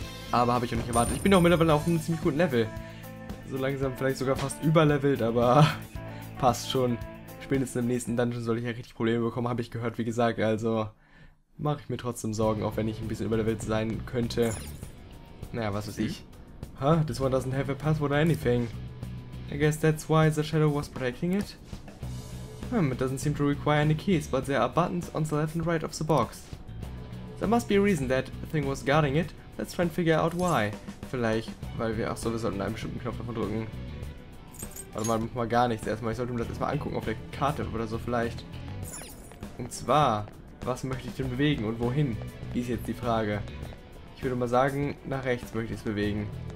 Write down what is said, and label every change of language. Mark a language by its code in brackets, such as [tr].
[de] Aber habe ich auch nicht erwartet. Ich bin auch mittlerweile auf einem ziemlich guten Level. So langsam vielleicht sogar fast überlevelt, aber passt schon. Spätestens im nächsten Dungeon soll ich ja richtig Probleme bekommen, habe ich gehört, wie gesagt. Also mache ich mir trotzdem Sorgen, auch wenn ich ein bisschen überlevelt sein könnte. Naja, was weiß ich. Huh? [en] This one doesn't have a password or anything. I guess that's why the shadow was protecting it. It doesn't seem to require any keys, but there are buttons on the left and right of the box. There must be a reason that thing was guarding it. Let's try and figure out why. [de] Vielleicht, weil wir, ach so, wir sollten einen bestimmten Knopf davon drücken. Warte mal, mach mal gar nichts erstmal. Ich sollte mir das erstmal angucken auf der Karte oder so vielleicht. Und zwar, was möchte ich denn bewegen und wohin? Die ist jetzt die Frage. Ich würde mal sagen, nach rechts möchte ich es bewegen.